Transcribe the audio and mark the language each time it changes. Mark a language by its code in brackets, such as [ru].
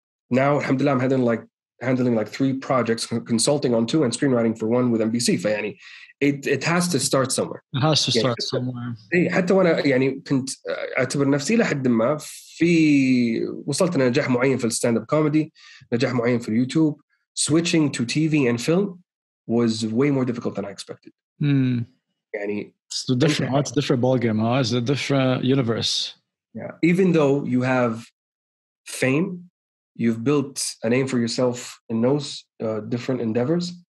[en] Now, alhamdulillah, I'm handling 3 projects, consulting on 2 and screenwriting for 1 with NBC. Fayani, it has to start somewhere. It has to start somewhere. [ar] حتى وأنا يعني كنت أعتبر نفسي لحد ما في وصلت نجاح معين في الستاند اب كوميدي, نجاح معين في اليوتيوب. [en] Switching to TV and film was way more difficult than I expected. It's a different. It's a different ballgame. Huh? It's a different universe. Yeah. Even though you have fame, you've built a name for yourself in those different endeavors.